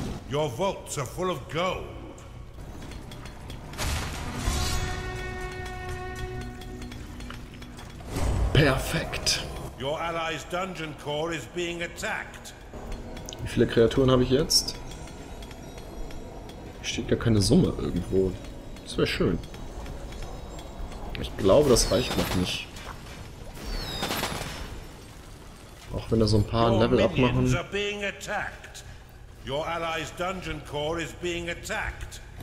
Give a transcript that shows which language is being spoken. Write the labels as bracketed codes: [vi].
[en] Your vaults are full of gold. [de] Perfekt. [en] Your allies' dungeon core is being attacked. [de] Wie viele Kreaturen habe ich jetzt? Steht gar keine Summe irgendwo. Das wäre schön. Ich glaube, das reicht noch nicht. Auch wenn da so ein paar [en] Your [de] Level abmachen. [en] Minions are being attacked. Your allies' dungeon core is being attacked.